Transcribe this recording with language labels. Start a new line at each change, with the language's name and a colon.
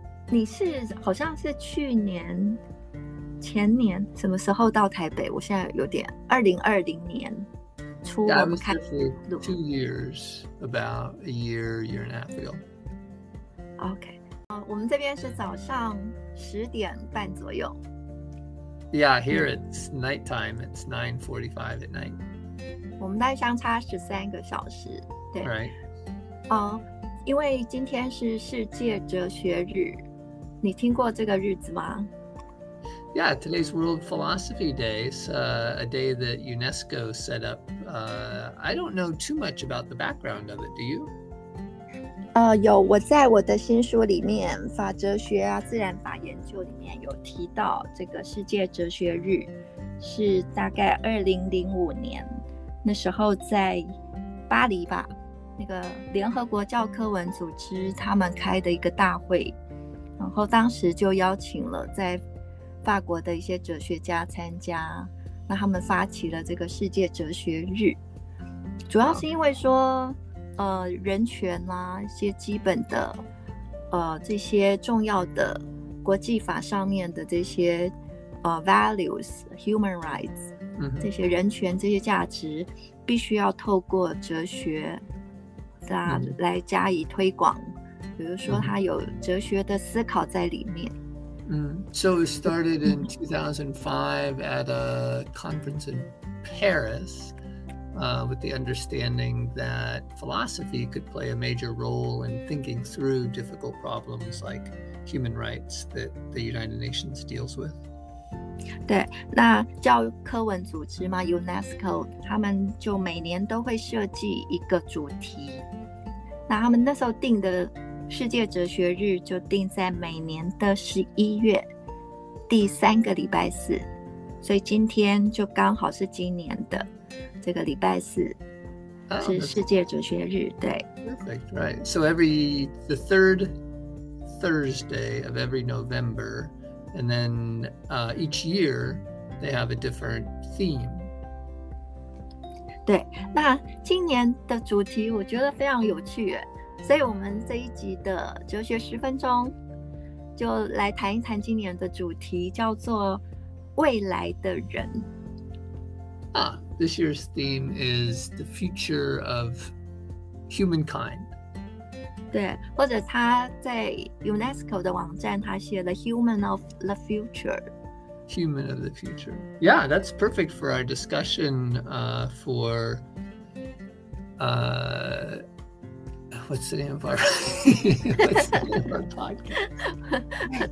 Chinese: 你是好像是去年、前年什么时候到台北？我现在有点2020年。
English: Yeah, I was there for 2 years, about a year, year and a half ago.
Chinese: Okay. 我们这边是早上10:30左右。
English: Yeah, here it's nighttime. It's 9:45 at night.
Chinese: 我们大概相差13个小时。对。
English: Right.
Chinese: 因为今天是世界哲学日，你听过这个日子吗？
English: Yeah, today's World Philosophy Day is a day that UNESCO set up. I don't know too much about the background of it, do you?
Chinese: 有，我在我的新书里面，法哲学啊，自然法研究里面有提到这个世界哲学日，是大概2005年，那时候在巴黎吧，那个联合国教科文组织他们开的一个大会，然后当时就邀请了在法国的一些哲学家参加，那他们发起了这个世界哲学日，主要是因为说、人权啦、一些基本的这些重要的国际法上面的这些
English: values, human rights、
Chinese: 嗯、这些人权这些价值必须要透过哲学、来加以推广，比如说它有哲学的思考在里面。
English: So it started in 2005 at a conference in Paris, with the understanding that philosophy could play a major role in thinking through difficult problems like human rights that the United Nations deals with.
Chinese: 对，那教科文组织嘛 ，UNESCO， 他们就每年都会设计一个主题。那他们那时候定的世界哲学日就定在每年的11月第三个礼拜四，所以今天就刚好是今年的这个礼拜四是世界哲学日。对。
English: Perfect. Right. So every the third Thursday of every November, and then each year they have a different theme.
Chinese: 对，那今年的主题我觉得非常有趣耶。所以我们这一集的哲学十分钟就来谈一谈今年的主题，叫做未来的人。
English: This year's theme is the future of humankind.
Chinese: 对，或者他在 UNESCO 的网站他写了
English: human of the future。 Human of the future. Yeah, that's perfect for our discussion for What's the name of our podcast?